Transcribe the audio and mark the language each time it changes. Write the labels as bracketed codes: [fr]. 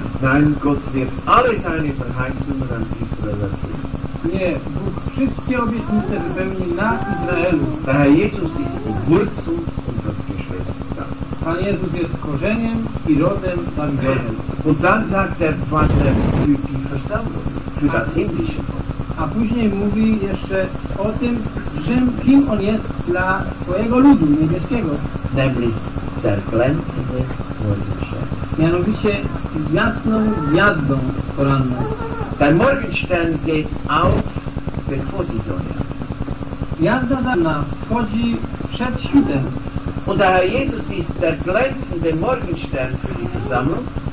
[de] Nein, Gott wird alle seine Verheißungen an Israel erfüllen. [pl] Nie, Bóg wszystkie obietnice wypełni na Izraelu. [de] Der Jesus ist die Wurzel und das Geschlecht. [pl] Pan Jezus jest korzeniem i rodem Dawidowym. [de] Und dann sagt was er für die Versammlung, für das himmlische. [pl] A później mówi jeszcze o tym, że kim on jest dla swojego ludu niebieskiego. [de] Nämlich der glänzende Morgenstern. [pl] Mianowicie jasną gwiazdą poranną. [de] Der Morgenstern geht auf, bevor die Sonne. [pl] Gwiazda dana wchodzi przed świtem. [de] Und der Jesus ist der glänzende Morgenstern für die Versammlung.